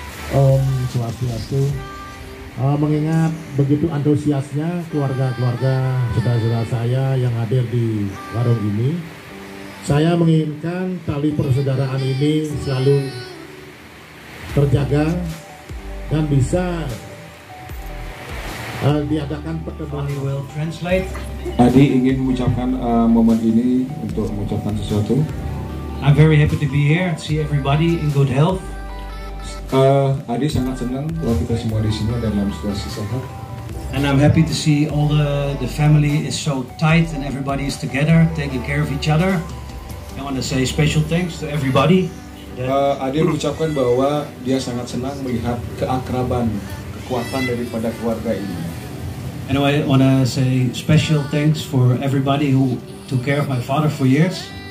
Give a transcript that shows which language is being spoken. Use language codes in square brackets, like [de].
[id] Om Swastiastu. Mengingat begitu antusiasnya keluarga-keluarga saudara-saudara saya yang hadir di warung ini, saya menginginkan tali persaudaraan ini selalu terjaga dan bisa diadakan pertemuan. [en] Will translate. [id] Adi ingin mengucapkan momen ini untuk mengucapkan sesuatu. [en] I'm very happy to be here and see everybody in good health. [id] Adi sangat senang kalau kita semua di sini dalam situasi sehat. [en] And I'm happy to see all the family is so tight and everybody is together taking care of each other. I want to say special thanks to everybody. [id] Adi mengucapkan bahwa dia sangat senang melihat keakraban, kekuatan daripada keluarga ini. [en] And I want to say special thanks for everybody who took care of my father for years.